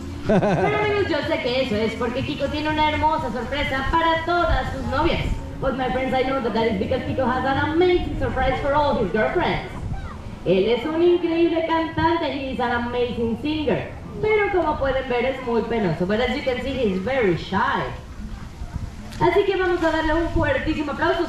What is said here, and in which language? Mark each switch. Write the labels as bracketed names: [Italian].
[Spanish] Pero amigos, yo sé que eso es porque Kiko tiene una hermosa sorpresa para todas sus novias. [English] But my friends, I know that is because Kiko has an amazing surprise for all his girlfriends. [Spanish] Él es un increíble cantante, [English] he is an amazing singer. [Spanish] Pero como pueden ver, es muy penoso. [English] But as you can see, he is very shy. [Spanish] Así que vamos a darle un fuertísimo aplauso.